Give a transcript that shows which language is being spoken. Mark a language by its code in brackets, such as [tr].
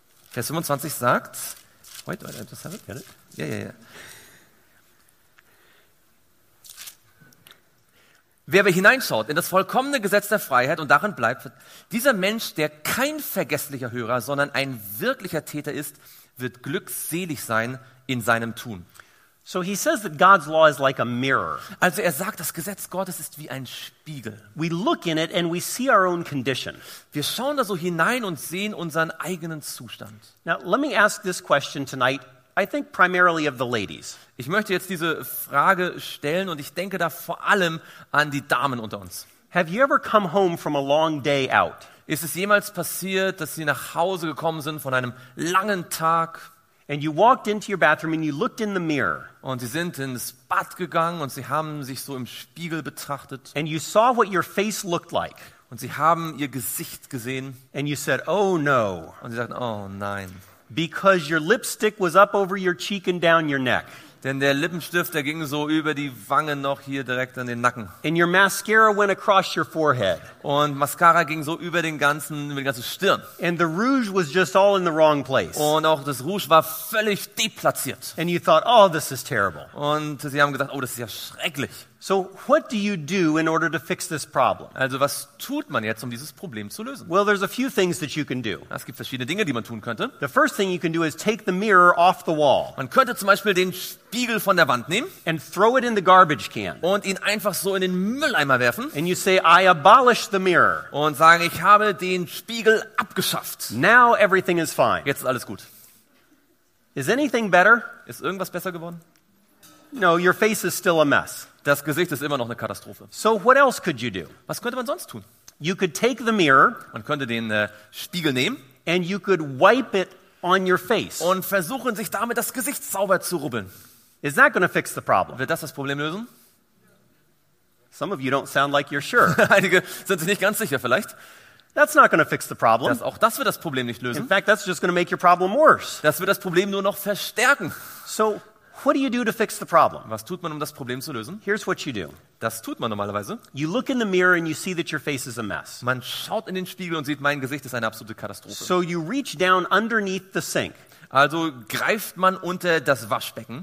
[de] Vers 25 sagt, wer aber hineinschaut in das vollkommene Gesetz der Freiheit und darin bleibt, dieser Mensch, der kein vergesslicher Hörer, sondern ein wirklicher Täter ist, wird glückselig sein in seinem Tun. [en] So he says that God's law is like a mirror. [de] Also er sagt, das Gesetz Gottes ist wie ein Spiegel. [en] We look in it and we see our own condition. [de] Wir schauen da so hinein und sehen unseren eigenen Zustand. [en] Now let me ask this question tonight, I think primarily of the ladies. [de] Ich möchte jetzt diese Frage stellen und ich denke da vor allem an die Damen unter uns. [en] Have you ever come home from a long day out? [de] Ist es jemals passiert, dass Sie nach Hause gekommen sind von einem langen Tag? [en] And you walked into your bathroom and you looked in the mirror. [de] Und sie sind ins Bad gegangen und sie haben sich so im Spiegel betrachtet. [en] And you saw what your face looked like. [de] Und sie haben ihr Gesicht gesehen. [en] And you said, "Oh no." [de] Und sie sagten, "Oh nein." [en] Because your lipstick was up over your cheek and down your neck. [de] Denn der Lippenstift, der ging so über die Wangen noch hier direkt an den Nacken. [en] And your mascara went across your forehead. [de] Und Mascara ging so über den ganzen, über die ganze Stirn. [en] And the rouge was just all in the wrong place. [de] Und auch das Rouge war völlig deplatziert. [en] And you thought, oh, this is terrible. [de] Und sie haben gedacht, oh, das ist ja schrecklich. [en] So what do you do in order to fix this problem? [de] Also was tut man jetzt, um dieses Problem zu lösen? [en] Well, there's a few things that you can do. [de] Es gibt verschiedene Dinge, die man tun könnte. [en] The first thing you can do is take the mirror off the wall. [de] Man könnte zum Beispiel den Spiegel von der Wand nehmen. [en] And throw it in the garbage can. [de] Und ihn einfach so in den Mülleimer werfen. [en] And you say, I abolish the mirror. [de] Und sagen, ich habe den Spiegel abgeschafft. [en] Now everything is fine. [de] Jetzt ist alles gut. [en] Is anything better? [de] Ist irgendwas besser geworden? [en] No, your face is still a mess. [de] Das Gesicht ist immer noch eine Katastrophe. [en] So what else could you do? [de] Was könnte man sonst tun? [en] You could take the mirror. [de] Man könnte den Spiegel nehmen. [en] And you could wipe it on your face. [de] Und versuchen, sich damit das Gesicht sauber zu rubbeln. [en] Is that going to fix the problem? [de] Wird das Problem lösen? [en] Some of you don't sound like you're sure. [de] Einige sind sich nicht ganz sicher, vielleicht. [en] That's not going to fix the problem. [de] Auch das wird das Problem nicht lösen. [en] In fact, that's just going to make your problem worse. [de] Das wird das Problem nur noch verstärken. [en] So what do you do to fix the problem? [de] Was tut man, um das Problem zu lösen? [en] Here's what you do. [de] Das tut man normalerweise. [en] You look in the mirror and you see that your face is a mess. [de] Man schaut in den Spiegel und sieht, mein Gesicht ist eine absolute Katastrophe. [en] So you reach down underneath the sink. [de] Also greift man unter das Waschbecken.